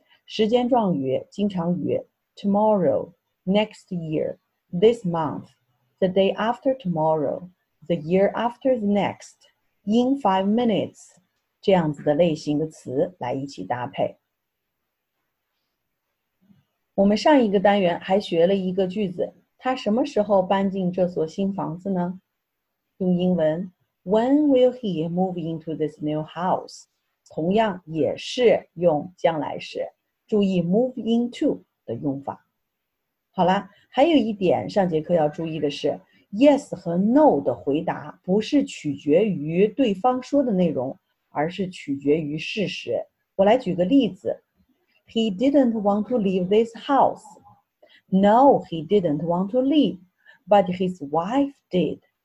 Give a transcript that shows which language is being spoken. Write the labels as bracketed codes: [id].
[zh] 时间状语、经常语 [en] tomorrow, next year, this month, the day after tomorrow, the year after the next, in 5 minutes， [zh] 这样子的类型的词来一起搭配。我们上一个单元还学了一个句子，他什么时候搬进这所新房子呢？用英文 [en] When will he move into this new house? [zh] 同样也是用将来时，注意 move into 的用法。好了，还有一点上节课要注意的是 Yes 和 No 的回答不是取决于对方说的内容，而是取决于事实。我来举个例子， [en] He didn't want to leave this house. No, he didn't want to leave, but his wife did.